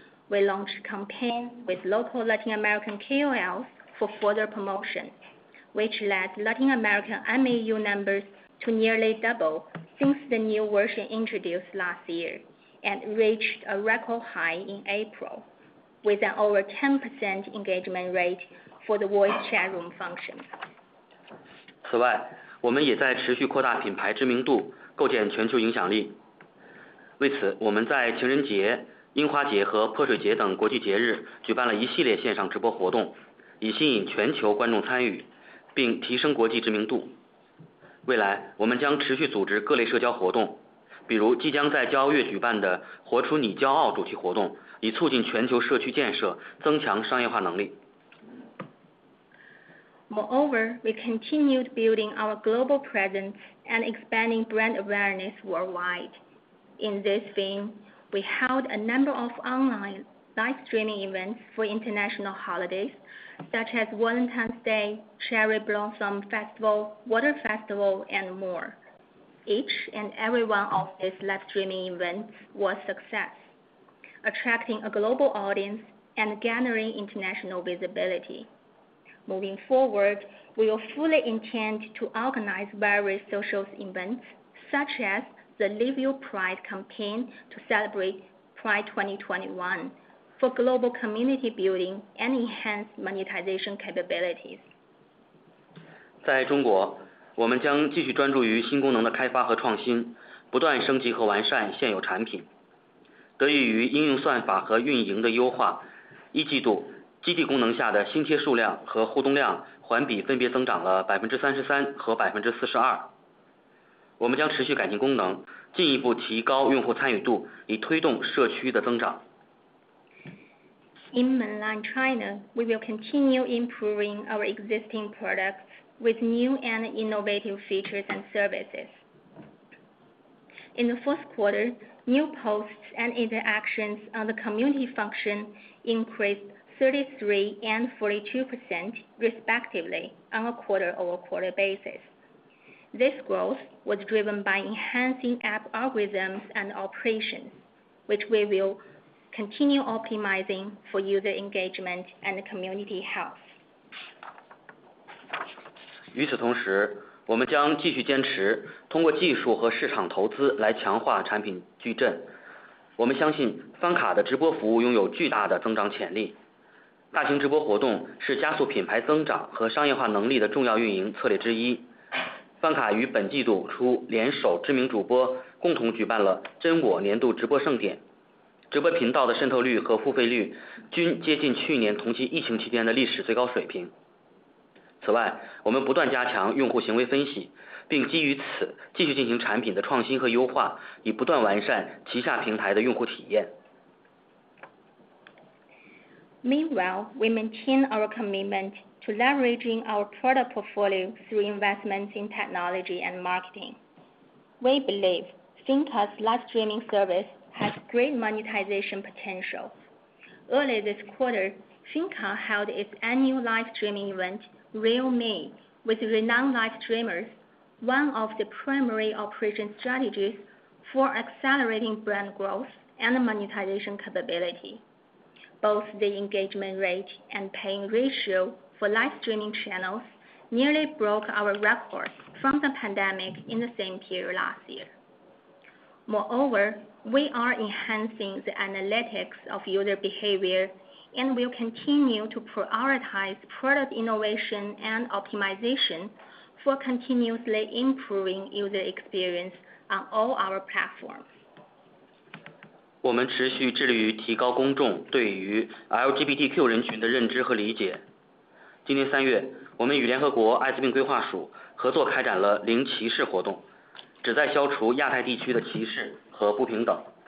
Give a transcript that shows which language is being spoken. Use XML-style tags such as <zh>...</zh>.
<en>We launched campaigns with local Latin American KOLs for further promotion, which led Latin American MAU numbers to nearly double since the new version introduced last year and reached a record high in April with an over 10% engagement rate for the voice chat room function.</en> <zh>此外，我们也在持续扩大品牌知名度，构建全球影响力。为此，我们在情人节、樱花节和泼水节等国际节日举办了一系列线上直播活动，以吸引全球观众参与，并提升国际知名度。未来，我们将持续组织各类社交活动，比如即将在骄傲月举办的“活出你骄傲”主题活动，以促进全球社区建设，增强商业化能力。</zh> <en>Moreover, we continued building our global presence and expanding brand awareness worldwide. In this vein, we held a number of online live streaming events for international holidays, such as Valentine's Day, Cherry Blossom Festival, Water Festival, and more. Each and every one of these live streaming events was a success, attracting a global audience and garnering international visibility. Moving forward, we will fully intend to organize various social events, such as the Live Your Pride campaign to celebrate Pride 2021 for global community building and enhanced monetization capabilities.</en> <zh>在中国，我们将继续专注于新功能的开发和创新，不断升级和完善现有产品。得益于应用算法和运营的优化，一季度基地功能下的新贴数量和互动量环比分别增长了33%和42%。我们将持续改进功能，进一步提高用户参与度，以推动社区的增长。</zh> <en>In mainland China, we will continue improving our existing products with new and innovative features and services. In the fourth quarter, new posts and interactions on the community function increased 33% and 42% respectively on a quarter-over-quarter basis. This growth was driven by enhancing app algorithms and operations, which we will continue optimizing for user engagement and community health.</en> <zh>与此同时，我们将继续坚持通过技术和市场投资来强化产品矩阵。我们相信翻卡的直播服务拥有巨大的增长潜力。大型直播活动是加速品牌增长和商业化能力的重要运营策略之一。翻卡于本季度初联手知名主播共同举办了真我年度直播盛典，直播频道的渗透率和付费率均接近去年同期疫情期间的历史最高水平。此外，我们不断加强用户行为分析，并基于此继续进行产品的创新和优化，以不断完善旗下平台的用户体验。</zh> <en>Meanwhile, we maintain our commitment to leveraging our product portfolio through investments in technology and marketing. We believe Finca's live streaming service has great monetization potential. Early this quarter, Finca held its annual live streaming event, Real Me, with renowned live streamers, one of the primary operation strategies for accelerating brand growth and monetization capability. Both the engagement rate and paying ratio for live streaming channels nearly broke our record from the pandemic in the same period last year. Moreover, we are enhancing the analytics of user behavior and will continue to prioritize product innovation and optimization for continuously improving user experience on all our platforms.</en> <zh>我们持续致力于提高公众对于 LGBTQ 人群的认知和理解。今年三月，我们与联合国艾滋病规划署合作开展了零歧视活动，旨在消除亚太地区的歧视和不平等。</zh>